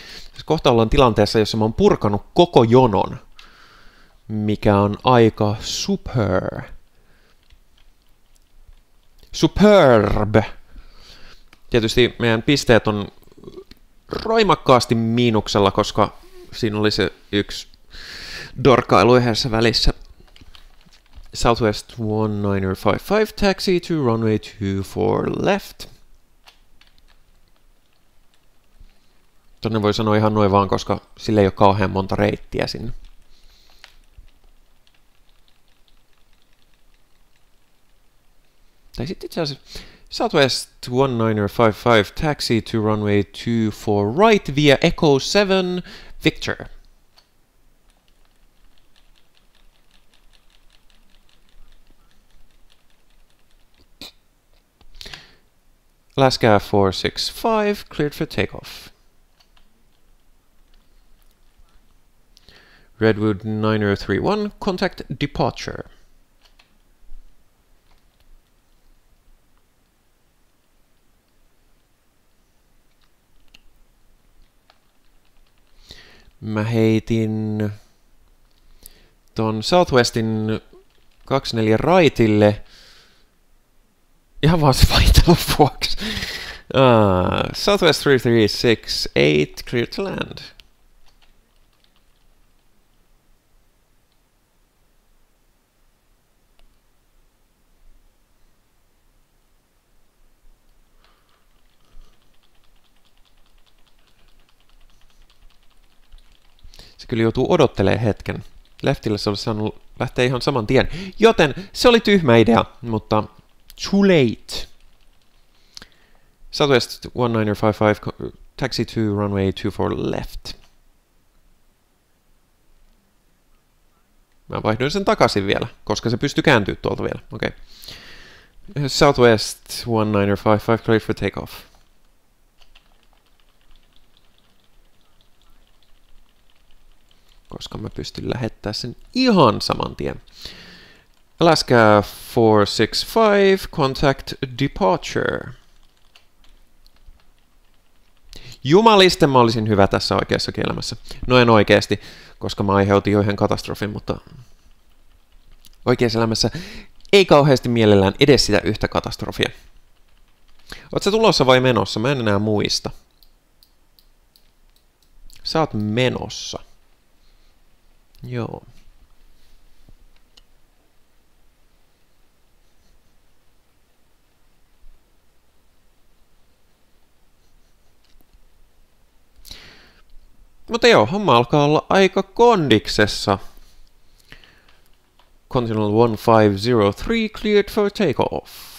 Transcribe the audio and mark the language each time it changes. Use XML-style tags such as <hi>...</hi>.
<fi>Tässä kohta ollaan tilanteessa, jossa mä oon purkanut koko jonon, mikä on aika super. Superb. Tietysti meidän pisteet on roimakkaasti miinuksella, koska siinä oli se yksi dorkailu yhdessä välissä.</fi> <en>Southwest 1955, taxi to runway 24 left.</en> <fi>Tänne voi sanoa ihan noin vaan, koska sille ei ole kauhean monta reittiä sinne. Tai sitten itse asiassa</fi> <en>Southwest 1955, taxi to runway 24 right via Echo 7, Victor. Alaska 465, cleared for takeoff. Redwood 9031, contact departure.</en> <fi>Mä heitin ton Southwestin 24 raitille ihan vaan se vaihtelun vuoksi.</fi> <en>Southwest 3368, clear to land.</en> <fi>Se kyllä joutuu odottelemaan hetken. Leftillä se olisi saanut lähteä ihan saman tien. Joten se oli tyhmä idea, mutta</fi> <en>too late. Southwest 1955, taxi to runway 24 left.</en> <fi>Mä vaihdoin sen takaisin vielä, koska se pystyy kääntyä tuolta vielä.</fi> <en>Okay. Southwest 1955, clear for takeoff.</en> <fi>Koska mä pystyn lähettää sen ihan saman tien.</fi> <en>Alaska 465, contact departure.</en> <fi>Jumaliste, mä olisin hyvä tässä oikeassa kielämässä. No en oikeasti, koska mä aiheutin joihin katastrofin, mutta oikeassa elämässä ei kauheasti mielellään edes sitä yhtä katastrofia. Oot sä tulossa vai menossa? Mä en enää muista. Sä oot menossa. Joo. Mutta joo, homma alkaa olla aika kondiksessa.</fi> <en>Continental 1503 cleared for takeoff.</en>